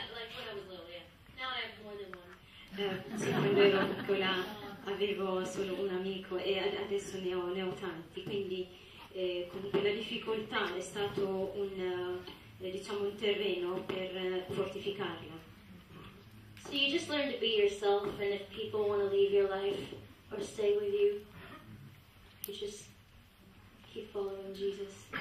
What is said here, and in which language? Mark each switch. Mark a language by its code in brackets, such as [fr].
[en] Yeah, like when I was little, yeah. Now I have more than one. [it] Quando ero piccola avevo solo un amico e adesso ne ho tanti, quindi... comunque la difficoltà è stato un terreno per fortificarla. [en] So you just learn to be yourself, and if people want to leave your life or stay with you, you just keep following Jesus.